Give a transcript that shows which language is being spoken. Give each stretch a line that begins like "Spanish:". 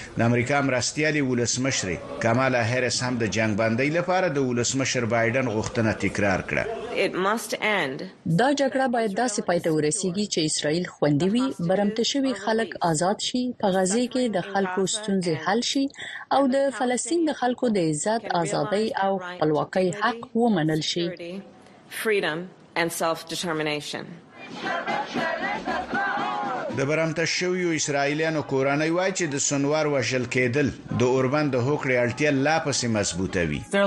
Pashto: د امریکا مرستیالي ولسمشر کمالا هاریس هم د جنگ باندې لپاره د ولسمشر بایدن غوښتنه تکرار کړه.
English: It must end.
Pashto: دا جګړه باید داسې پای ته ورسیږي چې اسرائیل خوندي وي، برمته شوی خلک آزاد شي، په غزه کې د خلکو ستونزې حل شي، او د فلسطین د خلکو د عزت، ازادۍ او خپلواکۍ حق ومنل شي.
English: Freedom and self-determination.
Pashto: د برمته شوی اسرائیلانو کورنۍ وای چې د سنوار وشل کېدل د اوربند هوکړې اړتیا لا پسې مضبوطه وي.